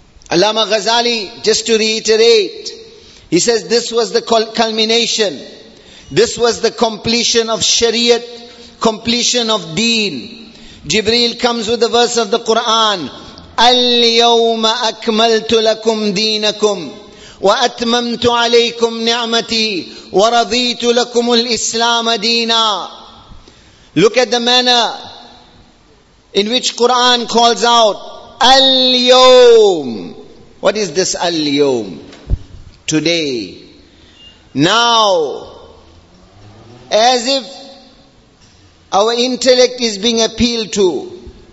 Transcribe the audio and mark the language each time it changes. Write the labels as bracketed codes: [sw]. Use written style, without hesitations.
[en] Allama Ghazali, just to reiterate, he says this was the culmination, this was the completion of Shariat, completion of Deen. Jibreel comes with the verse of the Quran, [ar] الْيَوْمَ أَكْمَلْتُ لَكُمْ دِينَكُمْ وَأَتْمَمْتُ عَلَيْكُمْ نِعْمَتِي وَرَضِيتُ لَكُمُ الْإِسْلَامَ دِينًا. [en] Look at the manner in which Quran calls out, الْيَوْمَ. What is this الْيَوْمَ? Today. Now. As if our intellect is being appealed to.